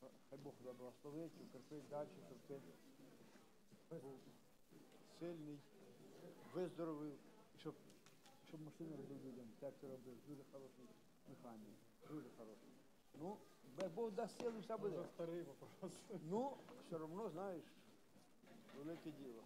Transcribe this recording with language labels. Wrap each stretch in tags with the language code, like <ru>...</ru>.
<ru>Хай Бог тебя благословит, укрепит дальше, чтобы ты был сильный, выздоровел.</ru> <uk>Щоб машину робив людям, як це робив. Дуже хороший механік. Дуже хороший. Ну, Бог дасть силу, все буде. Старий вопрос. Ну, все одно, знаєш, велике діло.</uk>